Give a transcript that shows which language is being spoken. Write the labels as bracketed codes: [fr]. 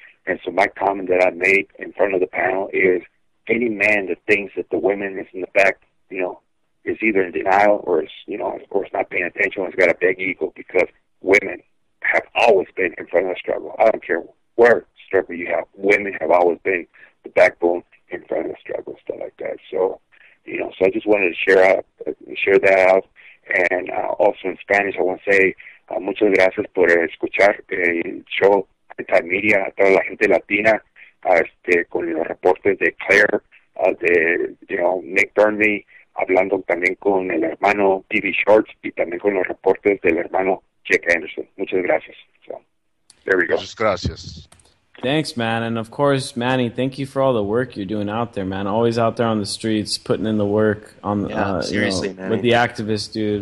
[en] And so my comment that I made in front of the panel is, any man that thinks that the women is in the back, you know, is either in denial or it's not paying attention, or it's got a big ego, because women have always been in front of the struggle. I don't care where struggle you have, women have always been the backbone in front of the struggle, stuff like that. So, you know, so I just wanted to share that out. And also in Spanish, I want to say, [es] muchas gracias por escuchar el show de Time Media, a toda la gente latina, con los reportes de Claire, de, [en] you know, [es] Nick Burnley, hablando también con el hermano TV Shorts y también con los reportes del hermano Jack Anderson. Muchas gracias. [en] So, there we go. [es] Muchas gracias. [en] Thanks, man. And of course, Manny, thank you for all the work you're doing out there, man. Always out there on the streets, putting in the work on seriously, you know, with the activist, dude.